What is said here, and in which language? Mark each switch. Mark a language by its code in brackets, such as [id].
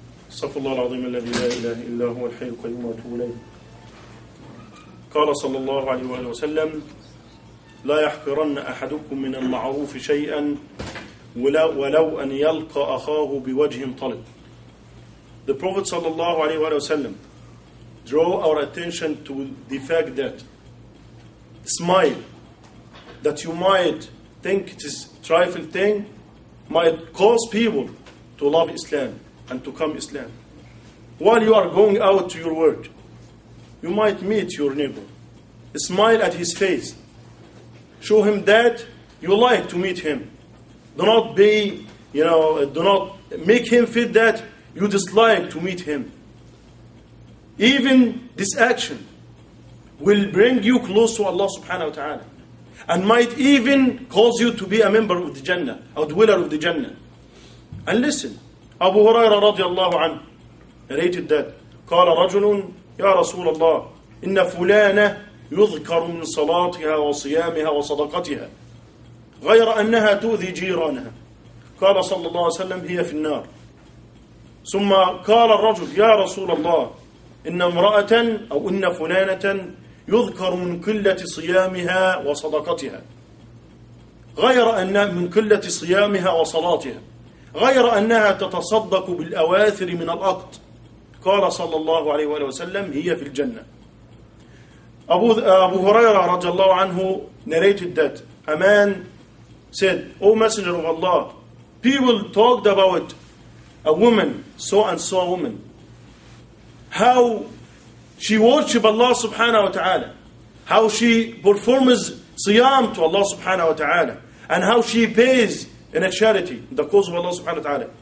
[ar] صف الله العظيم الذي لا إله إلا هو الحي القيوم وأتوب إليه. قال صلى الله عليه وسلم: لا يحقرن أحدكم من المعروف شيئا ولو أن يلقى أخاه بوجه طلق. [en] The Prophet sallallahu alayhi wa sallam draw our attention to the fact that smile that you might think it is trifle thing might cause people to love Islam and to come Islam. While you are going out to your work, you might meet your neighbor. Smile at his face. Show him that you like to meet him. Do not be, you know, do not make him feel that you dislike to meet him. Even this action will bring you close to Allah subhanahu wa ta'ala and might even cause you to be a member of the Jannah, a dweller of the Jannah. And listen, Abu Huraira radiallahu anhu narrated that, [ar] قال رجل يا رسول الله إن فلانة يذكر من صلاتها وصيامها وصدقتها غير أنها تؤذي جيرانها. قال صلى الله عليه وسلم: هي في النار. ثم قال الرجل يا رسول الله إن امرأة أو إن فلانة يذكر من قلة صيامها وصدقتها غير أن من قلة صيامها وصلاتها غير أنها تتصدق بالأواثر من الأقط. قال صلى الله عليه وآله وسلم هي في الجنة. أبو هريرة رضي الله عنه [en] narrated that a man said, O messenger of Allah, people talked about a woman, so and so woman, how she worship Allah subhanahu wa ta'ala, how she performs siyam to Allah subhanahu wa ta'ala, and how she pays in a charity in the cause of Allah subhanahu wa ta'ala.